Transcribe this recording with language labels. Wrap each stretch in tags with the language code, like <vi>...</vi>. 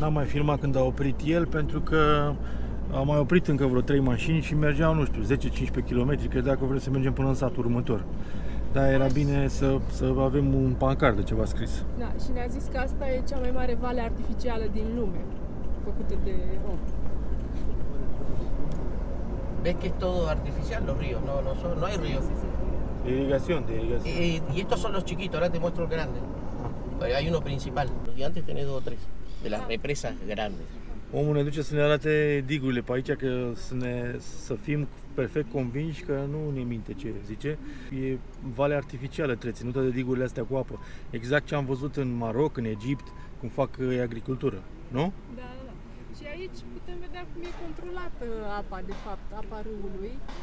<ro>N-am mai filmat când a oprit el, pentru că... Am mai oprit încă vreo 3 mașini și mergeam, nu știu, 10-15 km, credeam că vrem să mergem până în satul următor. Da, era bine să avem un pancard de ceva scris. Da, și ne-a zis că asta e cea mai mare vale artificială din lume, făcută de om.</ro> <es>Ves que es todo artificial los ríos, no hay río. De irrigación. Y estos son los chiquitos, ahora te muestro el grande. Pero hay uno principal, los gigantes tenés dos o tres, de las represas grandes.</es> <ro>Omul ne duce să ne arate digurile pe aici, că să fim perfect convinși că nu ne minte ce zice. E valea artificială treținută de digurile astea cu apă. Exact ce am văzut în Maroc, în Egipt, cum fac agricultură, nu? Da. Și aici putem vedea cum e controlată apa, de fapt, apa râului.</ro>